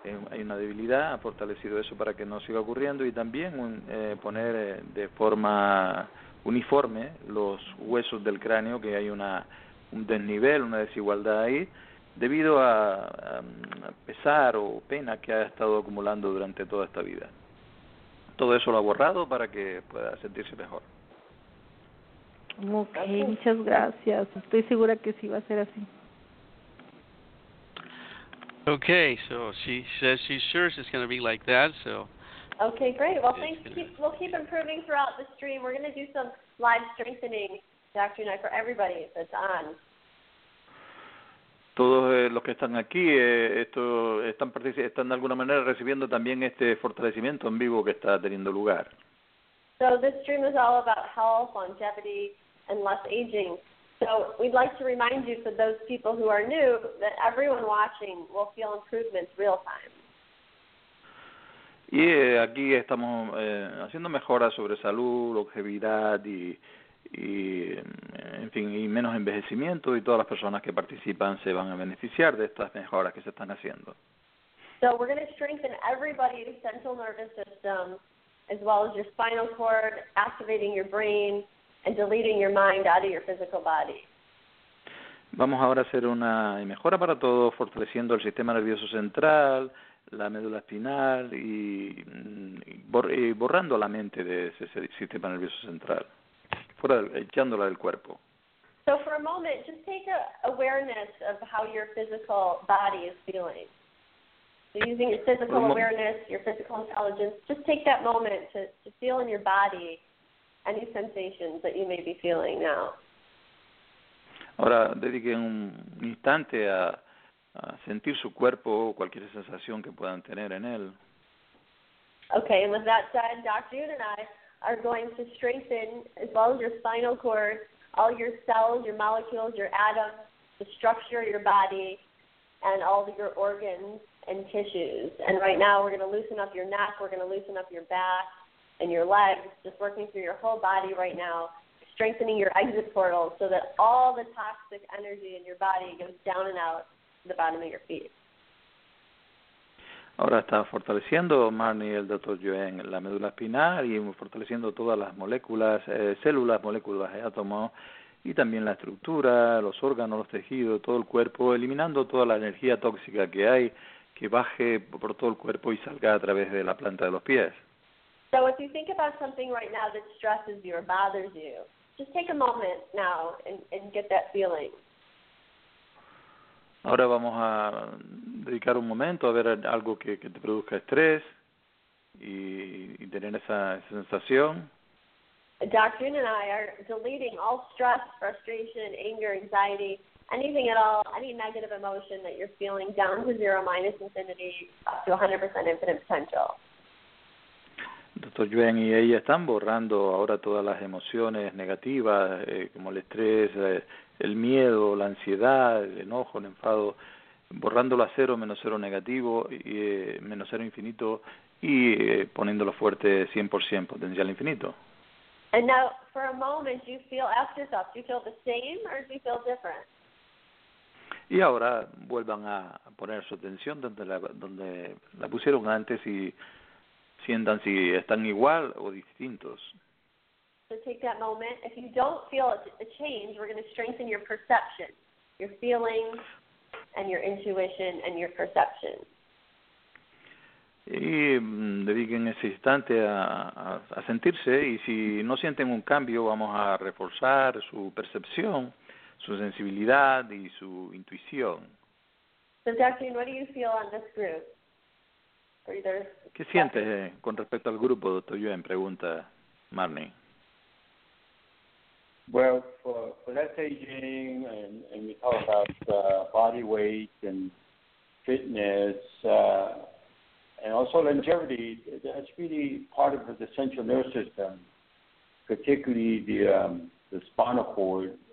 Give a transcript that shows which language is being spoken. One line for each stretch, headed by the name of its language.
Spanish: Hay una debilidad, ha fortalecido eso para que no siga ocurriendo, y también poner de forma uniforme los huesos del cráneo, que hay un desnivel, una desigualdad ahí, debido a pesar o pena que ha estado acumulando durante toda esta vida. Todo eso lo ha borrado para que pueda sentirse mejor. Ok, muchas gracias. Estoy segura que sí va a ser así.
English: Okay, so she says she's sure it's going to be like that, so... Okay, great. Well, thanks. We'll keep improving throughout the stream. We're going to do some live strengthening, Dr. Nye, for everybody that's on.
Spanish: Todos los que están aquí están de alguna manera recibiendo también este fortalecimiento en vivo que está teniendo lugar.
English: So this stream is all about health, longevity, and less aging. So we'd like to remind you, for those people who are new, that everyone watching will feel improvements real time.
Spanish: Y aquí estamos haciendo mejoras sobre salud, longevidad y en fin, y menos envejecimiento, y todas las personas que participan se van a beneficiar de estas mejoras que se están haciendo.
English: So we're going to strengthen everybody's central nervous system, as well as your spinal cord, activating your brain and deleting your mind out of your physical body.
Spanish: Vamos ahora a hacer una mejora para todos, fortaleciendo el sistema nervioso central, la médula espinal y borrando la mente de ese sistema nervioso central. Echándola del cuerpo.
English: So for a moment, just take awareness of how your physical body is feeling. So using your physical awareness, your physical intelligence, just take that moment to feel in your body any sensations that you may be feeling now.
Spanish: Ahora dediquen un instante a sentir su cuerpo, cualquier sensación que puedan tener en él.
English: Okay, and with that said, Dr. Yuen and I are going to strengthen, as well as your spinal cord, all your cells, your molecules, your atoms, the structure of your body, and all of your organs, and tissues. And right now we're going to loosen up your neck, we're going to loosen up your back and your legs, just working through your whole body right now, strengthening your exit portal so that all the toxic energy in your body goes down and out the bottom of your feet.
Spanish: Ahora está fortaleciendo, Marnie, el Dr. Yuen, la médula espinal y fortaleciendo todas las moléculas, células, moléculas, átomos, y también la estructura, los órganos, los tejidos, todo el cuerpo, eliminando toda la energía tóxica que hay, que baje por todo el cuerpo y salga a través de la planta de los pies.
English: So if you think about something right now that stresses you or bothers you, just take a moment now and get that feeling.
Spanish: Ahora vamos a dedicar un momento a ver algo que te produzca estrés y tener esa sensación.
English: Dr. Yuen and I are deleting all stress, frustration, anger, anxiety, anything at all, any negative emotion that you're feeling down to zero minus infinity up to 100% infinite potential.
Spanish: Dr. Yuen y ella están borrando ahora todas las emociones negativas, como el estrés, el miedo, la ansiedad, el enojo, el enfado, borrándolo a cero, menos cero negativo, y menos cero infinito, y poniéndolo fuerte 100% potencial infinito.
English: And now, for a moment, you feel, ask yourself, do you feel the same or do you feel different?
Spanish: Y ahora vuelvan a poner su atención donde la pusieron antes y sientan si están igual o distintos.
English: So take that moment. If you don't feel a change, we're going to strengthen your perception, your feelings, and your intuition and your perception.
Spanish: Y dediquen ese instante a sentirse, y si no sienten un cambio, vamos a reforzar su percepción, su sensibilidad y su intuición.
English: So, Dr. Yuen, what do you feel on this group?
Spanish: ¿Qué sientes con respecto al grupo, Dr. Yuen? Pregunta Marnie.
English: Well, for less aging, and we talk about body weight and fitness, and also longevity, that's really part of the central nervous system, particularly the spinal cord.